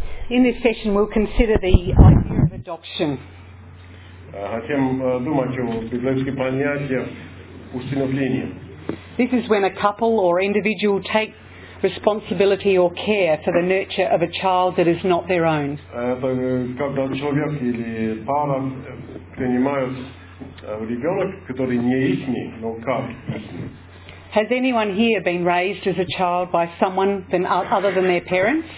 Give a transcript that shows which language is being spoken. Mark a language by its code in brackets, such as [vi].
[en] In this session, we'll consider the idea of adoption. [ru] Хотим думать о библейском понятии усыновления. [en] This is when a couple or individual take responsibility or care for the nurture of a child that is not their own. [ru] Это когда человек или пара принимают ребенок, который не их, но как их. [en] Has anyone here been raised as a child by someone than other than their parents?